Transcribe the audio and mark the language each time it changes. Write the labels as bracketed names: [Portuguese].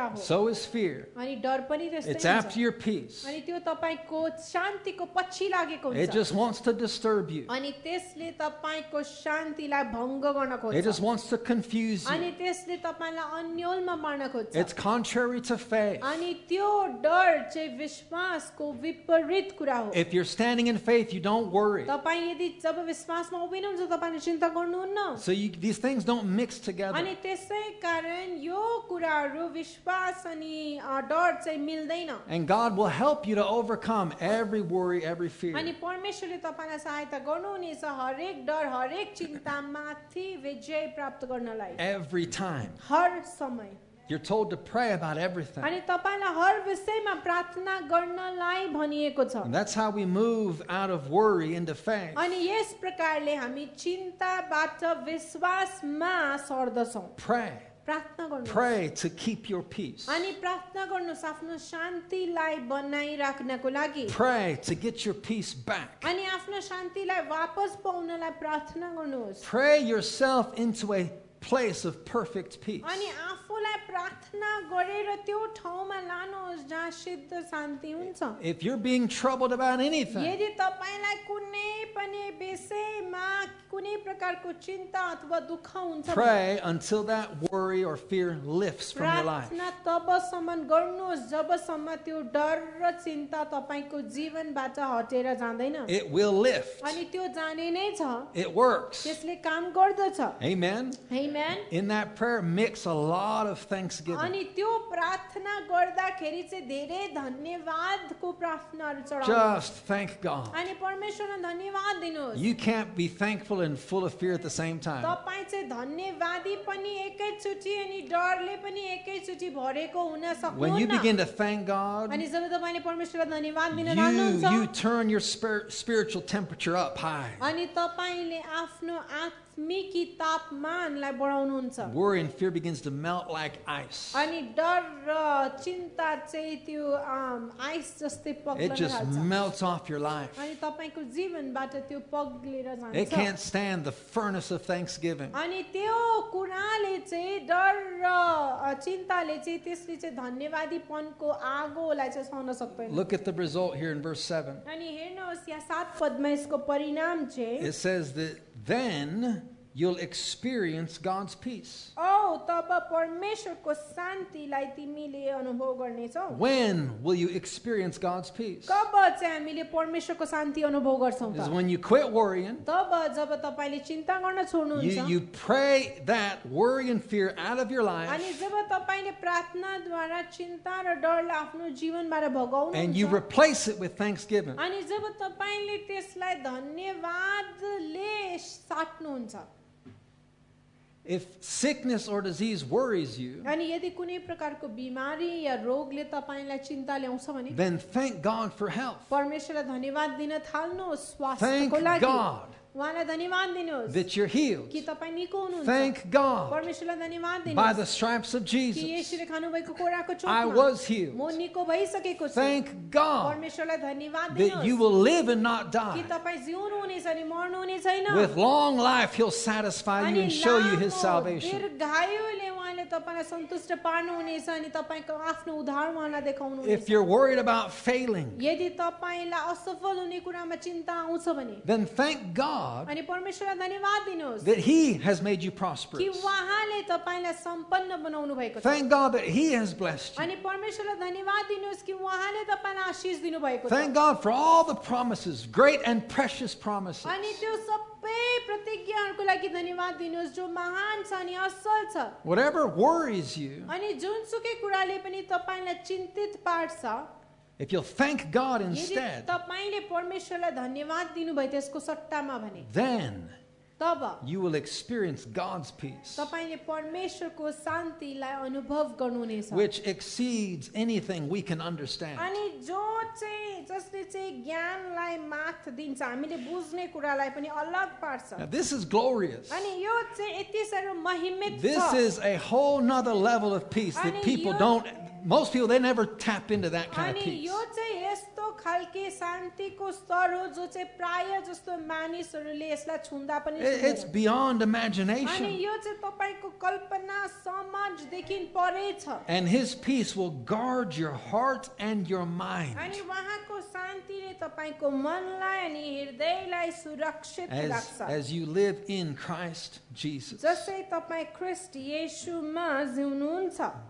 [English] So is fear. It's after your peace. It just wants to disturb you. It just wants to confuse you. It's contrary to faith. [Nepali] अनि त्यो डर चाहिँ विश्वासको विपरीत कुरा हो. [English] If you're standing in faith, you don't worry. [Nepali] तपाई यदि जब विश्वासमा उभिनुहुन्छ तपाईले चिन्ता गर्नुहुन्न. [English] So you, these things don't mix together. [Nepali] अनि त्यसै कारण यो कुराहरु विश्वास अनि डर चाहिँ मिल्दैन. [English] And God will help you to overcome every worry, every fear. [Nepali] अनि परमेश्वरले तपाईलाई सहायता गर्नुहुनेछ हरेक डर हरेक चिन्तामाथि विजय प्राप्त गर्नलाई. [English] Every time. [Nepali] हर समय. [English] You're told to pray about everything. [Nepali] अनि तपाईलाई हर विषयमा प्रार्थना गर्नलाई भनिएको छ. [English] That's how we move out of worry into faith. [Nepali] अनि यस प्रकारले हामी चिन्ताबाट विश्वासमा सर्दछौं. [English] Pray. [Nepali] प्रार्थना गर्नुहोस्. [English] Pray to keep your peace. [Nepali] अनि प्रार्थना गर्नुहोस् आफ्नो शान्तिलाई बनाइ राख्नको लागि. [English] Pray to get your peace back. [Nepali] अनि आफ्नो शान्तिलाई वापस पाउनलाई प्रार्थना गर्नुहोस्. [English] Pray yourself into a place of perfect peace. [Nepali] अनि आफूलाई प्रार्थना गरेर त्यो ठाउँमा लानुहोस् जहाँ शुद्ध शान्ति हुन्छ. [English] If you're being troubled about anything, [Nepali] यदि तपाईलाई कुनै पनि विषयमा कुनै प्रकारको चिन्ता अथवा दुःख हुन्छ, [English] pray until that worry or fear lifts from your life. [Nepali] प्रार्थना तबसम्म गर्नुहोस् जबसम्म त्यो डर र चिन्ता तपाईको जीवनबाट हटेर जाँदैन. [English] It will lift. [Nepali] अनि त्यो जाने नै छ. [English] It works. [Nepali] त्यसले काम गर्दछ. [English] Amen. Amen. In that prayer, mix a lot of thanksgiving. [Nepali] अनि त्यो प्रार्थना गर्दाखेरि चाहिँ धेरै धन्यवादको प्रार्थनाहरू चढाउनुहोस्. [English] Just thank God. [Nepali] अनि परमेश्वरलाई धन्यवाद दिनुहोस्. [English] You can't be thankful and full of fear at the same time. [Nepali] तपाईं चाहिँ धन्यवादी पनि एकै चुटि अनि डरले पनि एकै चुटि भरेको हुन सक्नुहुन्न. [English] When you begin to thank God, [Nepali] अनि जब तपाईंले परमेश्वरलाई धन्यवाद दिन थाल्नुहुन्छ, [English] you turn your spiritual temperature up high. [Nepali] अनि तपाईंले आफ्नो Mickey तापमानलाई बढाउनुहुन्छ. [English] Worry and fear begins to melt like ice. [Nepali] अनि डर र चिन्ता चाहिँ त्यो आइस जस्तै पग्लन थाल्छ. [English] It just melts off your life. [Nepali] अनि तपाईको जीवनबाट त्यो पग्लेर जान्छ. [English] It can't stand the furnace of thanksgiving. [Nepali] अनि त्यो कुराले चाहिँ डर र चिन्ताले चाहिँ त्यसले चाहिँ धन्यवादीपनको आगोलाई चाहिँ सहन सक्दैन. [English] Look at the result here in verse 7. [Nepali] अनि हेर्नुहोस् यहाँ सात पदमा यसको परिणाम चाहिँ. [English] It says that then you'll experience God's peace. [Nepali] Oh, तब परमेश्वरको शान्तिलाई तिमीले अनुभव गर्नेछौ. [English] When will you experience God's peace? [Nepali] कब चाहिँ हामीले परमेश्वरको शान्ति अनुभव गर्छौ त? [English] Is when you quit worrying. [Nepali] तब जब तपाईले चिन्ता गर्न छोड्नुहुन्छ. [English] You pray that worry and fear out of your life. [Nepali] अनि जब तपाईले प्रार्थनाद्वारा चिन्ता र डरलाई आफ्नो जीवनबाट भगाउनुहुन्छ. [English] And you replace it with thanksgiving. [Nepali] अनि जब तपाईले त्यसलाई धन्यवादले साट्नुहुन्छ. [English] If sickness or disease worries you, [Nepali] अनि यदि कुनै प्रकारको बिमारी या रोगले तपाईलाई चिन्ता ल्याउँछ भने, [English] then thank God for health. [Nepali] परमेश्वरलाई धन्यवाद दिन थाल्नुहोस् स्वास्थ्यको लागि. [English] Thank God. [Nepali] उहाँलाई धन्यवाद दिनुहोस्. [English] That you're healed. [Nepali] कि तपाई निको हुनुहुन्छ. [English] Thank God. [Nepali] परमेश्वरलाई धन्यवाद दिनुहोस्. [English] By the stripes of Jesus. [Nepali] कि यीशुले खानुभएको कोराको चोटमा. [English] I was healed. [Nepali] म निको भइसकेको छु. [English] Thank God. [Nepali] परमेश्वरलाई धन्यवाद दिनुहोस्. [English] That you will live and not die. [Nepali] कि तपाई जिउनु हुनेछ अनि मर्नु हुने छैन. [English] With long life he'll satisfy you and show you his salvation. [Nepali] दीर्घायुले उहाँले तपाईलाई सन्तुष्ट पार्नु हुनेछ अनि तपाईको आफ्नो उद्धार उहाँलाई देखाउनु हुनेछ. [English] If you're worried about failing. [Nepali] यदि तपाईलाई असफल हुने कुरामा चिन्ता आउँछ भने, [English] then thank God. [Nepali] अनि परमेश्वरलाई धन्यवाद दिनुहोस्. [English] That he has made you prosperous. [Nepali] कि उहाँले तपाईलाई सम्पन्न बनाउनु भएको छ. [English] Thank God that he has blessed you. [Nepali] अनि परमेश्वरलाई धन्यवाद दिनुहोस् कि उहाँले तपाईलाई आशिष दिनु भएको छ. [English] Thank God for all the promises, great and precious promises. [Nepali] अनि त्यो सबै प्रतिज्ञाहरूको लागि धन्यवाद दिनुहोस् जो महान छ अनि असल छ. [English] Whatever worries you. [Nepali] अनि जुनसुकै कुराले पनि तपाईलाई चिन्तित पार्छ. [English] If you'll thank God instead, [Nepali] यदि तपाईले परमेश्वरलाई धन्यवाद दिनुभए त्यसको सट्टामा भने, [English] then [Nepali] तब [English] you will experience God's peace. [Nepali] तपाईले परमेश्वरको शान्तिलाई अनुभव गर्नुहुनेछ. [English] Which exceeds anything we can understand. [Nepali] अनि जो चाहिँ जसले चाहिँ ज्ञानलाई माथ दिन्छ हामीले बुझ्ने कुरालाई पनि अलग पार्छ. [English] Now this is glorious. [Nepali] अनि यो चाहिँ यति साह्रो महिमित छ. [English] This is a whole another level of peace that people don't. Most people, they never tap into that kind of peace. [Nepali] यो चाहिँ यस्तो खालके शान्तिको स्तर हो जो चाहिँ प्राय जस्तो मानिसहरूले यसलाई छुँदा पनि छैन. [English] It's beyond imagination. [Nepali] अनि यो चाहिँ तपाईको कल्पना समझ देखिन परे छ. [English] And his peace will guard your heart and your mind. [Nepali] अनि वहाको शान्तिले तपाईको मनलाई अनि हृदयलाई सुरक्षित राख्छ. [English] As you live in Christ Jesus. [Nepali] जसै तपाई ख्रीष्ट येशूमा जिउनुहुन्छ.